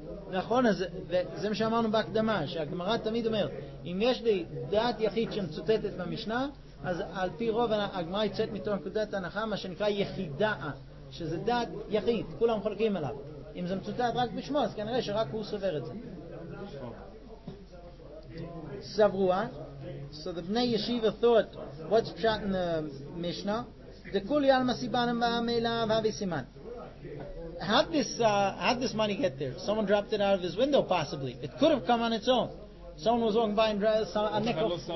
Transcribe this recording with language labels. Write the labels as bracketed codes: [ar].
[he] נכון, אז זה מה שאמרנו בהקדמה, שהגמרא תמיד אומרת, אם יש לי דעת יחיד שמצוטטת במשנה, אז על פי רוב הגמרא יצאת מתוך נקודת הנחה, מה שנקרא יחידה, שזה דעת יחיד, כולם חולקים עליו. אם זה מצוטט רק בשמו, אז כנראה שרק הוא סובר את זה. סברו, [en] so the בני ישיבה thought, what's פשט in the משנה? [arc] דקולי על מסיבנם במילה ואבי סימן. [en] How'd this money get there? Someone dropped it out of his window, possibly. It could have come on its own. Someone was walking by and dropped a nickel.